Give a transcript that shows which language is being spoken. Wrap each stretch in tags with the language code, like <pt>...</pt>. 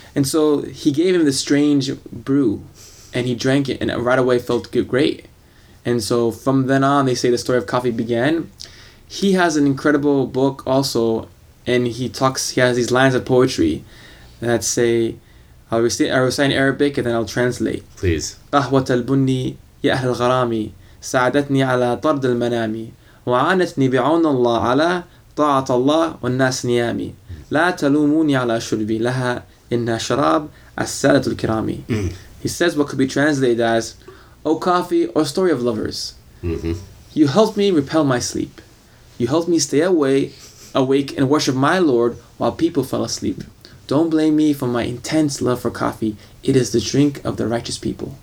<en>And so he gave him this strange brew, and he drank it, and right away felt great. And so from then on, they say the story of coffee began. He has an incredible book also, and he has these lines of poetry that say, I'll recite in Arabic, and then I'll translate. Please.</en> <ar>قهوة البني يا أهل الغرامي ساعدتني على طرد المنامي وعانتني بعون الله على طاعة الله والناس نيامي لا تلوموني على شربي لها إنها شراب السادة الكرامي.</ar> <en>He says what could be translated as, O coffee, or story of lovers, mm-hmm. you helped me repel my sleep. You helped me stay awake and worship my Lord while people fell asleep. Don't blame me for my intense love for coffee. It is the drink of the righteous people.</en>